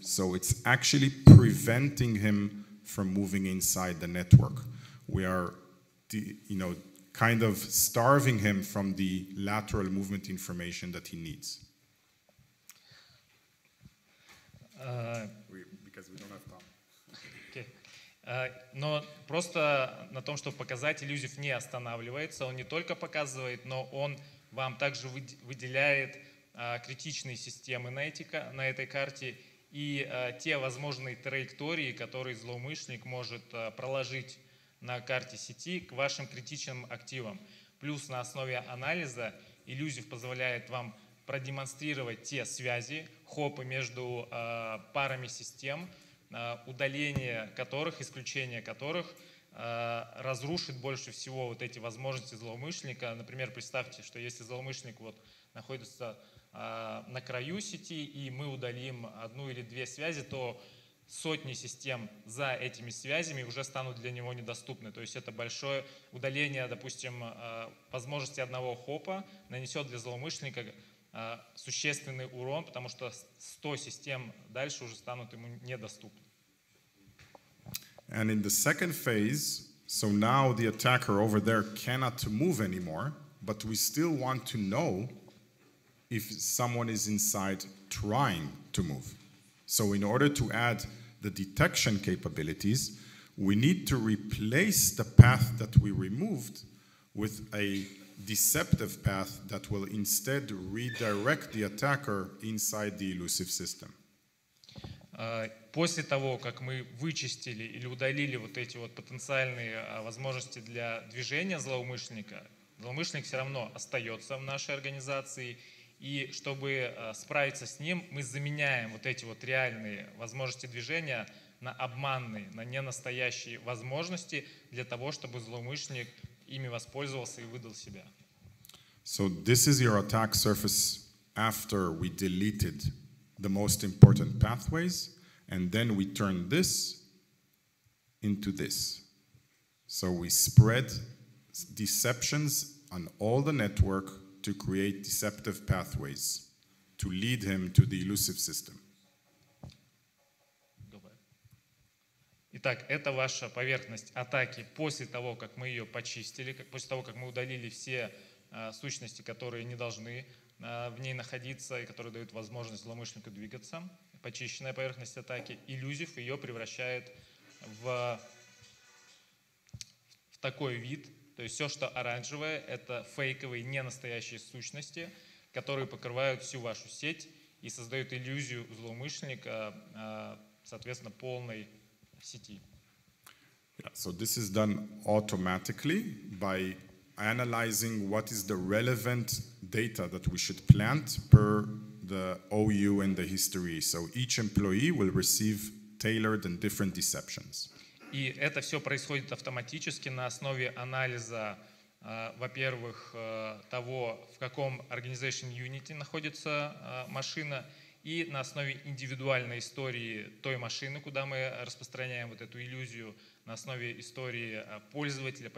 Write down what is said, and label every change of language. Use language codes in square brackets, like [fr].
[en] So it's actually preventing him from moving inside the network. We are, you know, kind of starving him from the lateral movement information that he needs. Because we don't have time. [ru] Но просто на том, чтобы показать, Illusive не останавливается. Он не только показывает, но он вам также выделяет критичные системы на этой карте и те возможные траектории, которые злоумышленник может проложить на карте сети к вашим критичным активам. Плюс на основе анализа Illusive позволяет вам продемонстрировать те связи, хопы между парами систем, удаление которых, исключение которых разрушит больше всего вот эти возможности злоумышленника. Например, представьте, что если злоумышленник вот находится на краю сети, и мы удалим одну или две связи, то сотни систем за этими связями уже станут для него недоступны. То есть это большое удаление, допустим, возможности одного хопа нанесет для злоумышленника существенный урон, потому что 100 систем дальше уже станут ему недоступны. [en] And in the second phase, so now the attacker over there cannot move anymore, but we still want to know if someone is inside trying to move. So in order to add the detection capabilities, we need to replace the path that we removed with a deceptive path that will instead redirect the attacker inside the elusive system. [ru] После того, как мы вычистили или удалили вот эти вот потенциальные возможности для движения злоумышленника, злоумышленник все равно остается в нашей организации. И чтобы справиться с ним, мы заменяем вот эти вот реальные возможности движения на обманные, на ненастоящие возможности для того, чтобы злоумышленник ими воспользовался и выдал себя. [en] So this is your attack surface after we deleted the most important pathways, and then we turn this into this. So we spread deceptions on all the network to create deceptive pathways to lead him to the elusive system. [ru] Итак, это ваша поверхность атаки после того, как мы ее почистили, после того, как мы удалили все сущности, которые не должны в ней находиться и которые дают возможность злоумышленнику двигаться. Почищенная поверхность атаки, иллюзив, ее превращает в такой вид. То есть все, что оранжевое, это фейковые, ненастоящие сущности, которые покрывают всю вашу сеть и создают иллюзию злоумышленника, соответственно, полной сети. [en] Yeah, so this is done automatically by analyzing what is the relevant data that we should plant per the OU and the history. So each employee will receive tailored and different deceptions. [ru] И это все происходит автоматически на основе анализа, во-первых, того, в каком [en] organization unit [ru] находится машина, и на основе индивидуальной истории той машины, куда мы распространяем вот эту иллюзию, на основе истории пользователя.